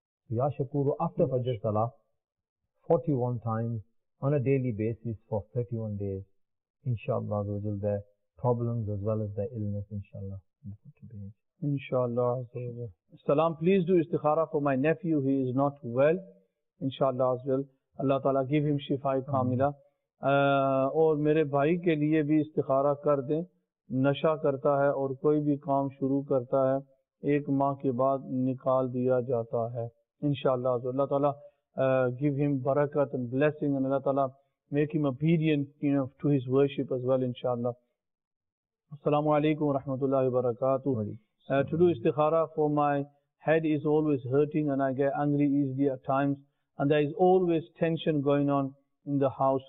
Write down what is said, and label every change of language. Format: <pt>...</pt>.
<en>Ya Shakuru after Fajr Salah, 41 times on a daily basis for 31 days. Inshallah, their problems as well as their illness, inshallah. Inshallah. Salam, please do istikhara for my nephew. He is not well. Inshallah, Allah Ta'ala give him shifa'i kamila.</en> <ur>اور میرے بھائی کے لیے بھی استخارہ کر دیں. نشہ کرتا ہے اور کوئی بھی کام شروع کرتا ہے ایک ماہ کے بعد نکال دیا جاتا ہے انشاءاللہ. اللہ تعالیٰ give him برکت and blessing, and اللہ تعالیٰ make him obedient, you know, to his worship as well, انشاءاللہ.</ur> <ar>السلام علیکم ورحمت اللہ وبرکاتہ.</ar> <en>To do استخارہ for my head is always hurting and I get angry easily at times and there is always tension going on in the house.</en>